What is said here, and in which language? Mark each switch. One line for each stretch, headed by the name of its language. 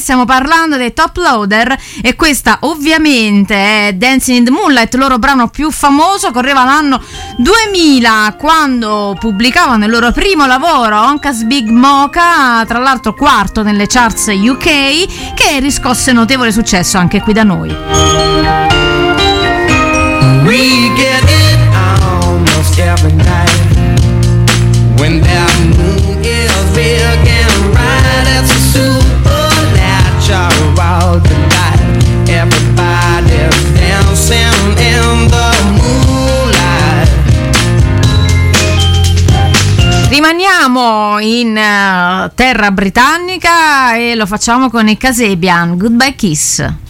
Italian: Stiamo parlando dei Top Loader e questa ovviamente è Dancing in the Moonlight, il loro brano più famoso. Correva l'anno 2000 quando pubblicavano il loro primo lavoro, Honka's Big Mocha, tra l'altro quarto nelle charts UK, che riscosse notevole successo anche qui da noi.
English: We get it almost every night when that moon is big and bright. It's a supernatural delight. Everybody's dancing in the moonlight.
Italian: Rimaniamo in terra britannica e lo facciamo con i Kasabian, Goodbye Kiss.